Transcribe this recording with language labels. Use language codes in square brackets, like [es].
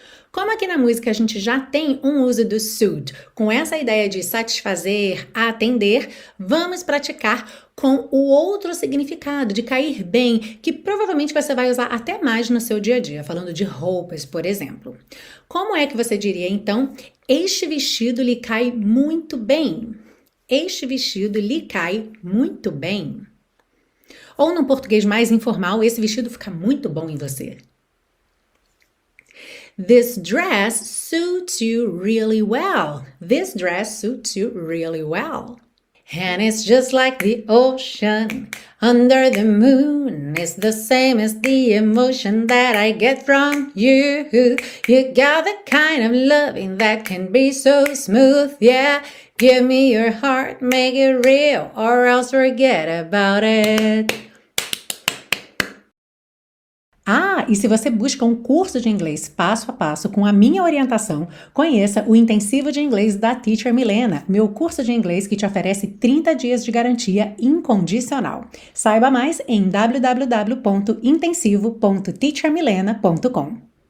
[pt] Como aqui na música a gente já tem um uso do suit com essa ideia de satisfazer, atender, vamos praticar com o outro significado de cair bem, que provavelmente você vai usar até mais no seu dia a dia, falando de roupas, por exemplo. Como é que você diria, então, este vestido lhe cai muito bem? Este vestido lhe cai muito bem? Ou num português mais informal, esse vestido fica muito bom em você. [en] This dress suits you really well. This dress suits you really well. And it's just like the ocean under the moon. It's the same as the emotion that I get from you. You got the kind of loving that can be so smooth, yeah. Give me your heart, make it real, or else forget about it. [pt] Ah, e se você busca um curso de inglês passo a passo com a minha orientação, conheça o Intensivo de Inglês da Teacher Milena, meu curso de inglês que te oferece 30 dias de garantia incondicional. Saiba mais em www.intensivo.teachermilena.com.